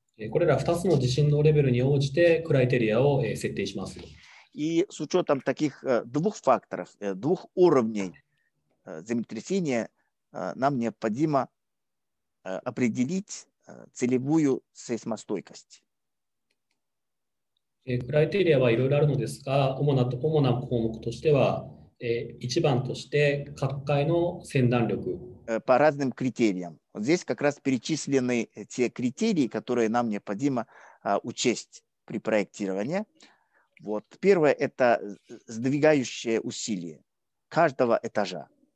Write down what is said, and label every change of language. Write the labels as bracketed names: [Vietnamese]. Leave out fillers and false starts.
[Japanese] これら2つの地震のレベルに応じてクライテリアを設定します。 [Russian] И с учетом таких двух факторов, двух уровней землетрясения, нам необходимо определить целевую сейсмостойкость. [Japanese] クライテリアはいろいろあるのですが、主な項目としては、1番として各階の先端力。 [Russian] По разным критериям. Вот здесь как раз перечислены те критерии, которые нам необходимо учесть при проектировании. Вот. Первое – это сдвигающее усилие каждого этажа.